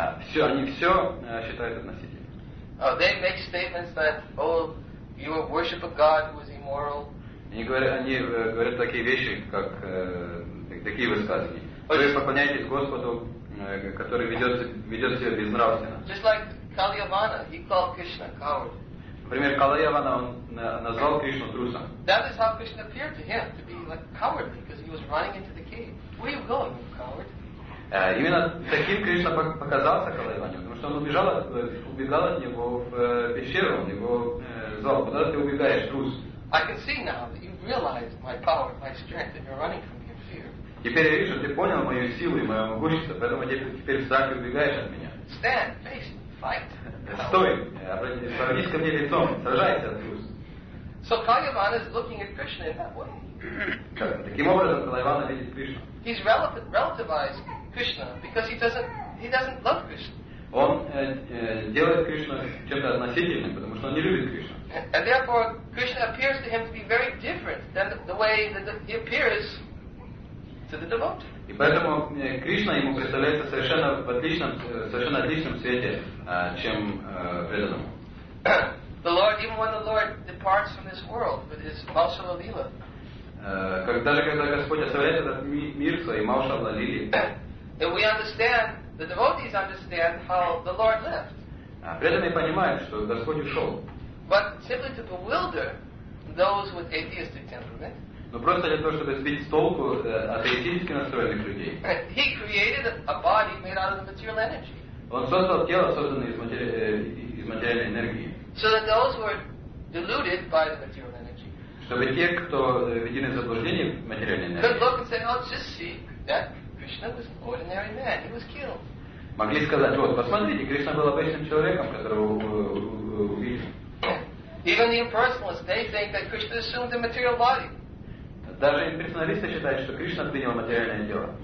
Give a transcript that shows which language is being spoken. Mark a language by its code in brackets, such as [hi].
[ru] Все, они все считают относительно. [en] They make statements that, oh, you worship a God who is immoral. [ru] Они говорят такие вещи, как такие высказывания. Вы поклоняетесь Господу, который ведет себя безнравственно. [en] Just like Kalyavana, he called Krishna coward. [ru] Например, Калаявана, он назвал Кришну трусом. [en] That is how Krishna appeared to him, to be like cowardly, because he was running into the cave. Where are you going, you coward? [ru] Именно таким Кришна показался Калаяване, потому что он убегал от него в пещеру, он его звал, куда ты убегаешь, трус. [en] I can see now that you realize my power, my strength, and you're running from me in fear. [ru] Теперь я вижу, ты понял мою силу и мое могущество, поэтому теперь в страхе убегаешь от меня. [en] Stand, face, fight. [ru] Стой, обратись ко мне лицом, сражайся, трус. [en] So Kalyavana is looking at Krishna in that way. [ru] Таким образом, Калайвана видит Кришну. [en] He's relativized Krishna because he doesn't love Krishna. [ru] Он делает Кришну чем-то относительным, потому что он не любит Кришну. [en] And therefore, Krishna appears to him to be very different than the way that he appears to the devotee. [ru] И поэтому Кришна ему представляется совершенно в отличном, совершенно отличном свете, чем преданному. [en] The Lord, even when the Lord departs from this world with his Maushala Lila. [ru] Когда Господь оставляет этот мир свой, Маушала Лили. [en] And we understand, the devotees understand how the Lord left. [ru] Преданные понимают, что Господь ушел. [en] But simply to bewilder those with atheistic temperament. [ru] Но просто для того, чтобы сбить с толку атеистически настроенных людей. [en] He created a body made out of material energy. [ru] Он создал тело, созданное из материальной энергии. [en] So that those who are deluded by the material energy. [ru] Чтобы те, кто введены в заблуждение материальной энергии. [en] Could look and say, oh, just see, that Krishna was an ordinary man. He was killed. [ru] Могли сказать, вот, посмотрите, Кришна был обычным человеком, которого убили. [en] Even the impersonalists, they think that Krishna assumed a material body. [ru] Даже имперсоналисты считают, что Кришна принял материальное тело.